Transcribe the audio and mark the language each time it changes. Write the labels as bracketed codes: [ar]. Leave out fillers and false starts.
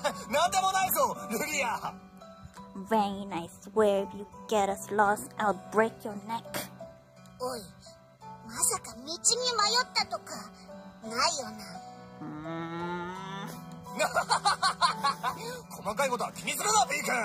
[ja] なんでもないぞ、ルリア。 [en] Vain, I swear, if you get us lost, I'll break your neck. [ja] Oi, まさか道に迷ったとかないよな。細かいことは気にするな、ビー君。